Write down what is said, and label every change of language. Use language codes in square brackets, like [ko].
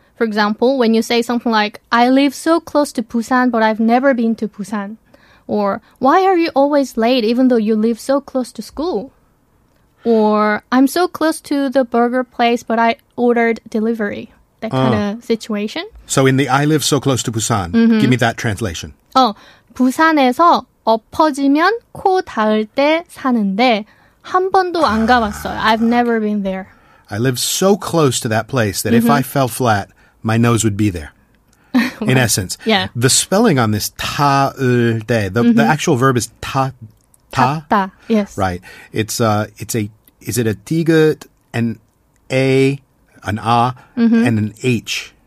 [en] For example, when you say something like, I live so close to Busan, but I've never been to Busan. Or, why are you always late even though you live so close to school? Or, I'm so close to the burger place, but I ordered delivery. That kind of situation. So in the I live so close to Busan, give me that translation. [ko] Oh, 부산에서 엎어지면 코 닿을 때 사는데 한 번도 안 가봤어요. [en] I've never been there. I live so close to that place that if I fell flat, my nose would be there, in essence. Yeah. The spelling on this, 닿을 때, the actual verb is 닿다. 닿다, yes. Right. Is it a 디귿, an A, and an H?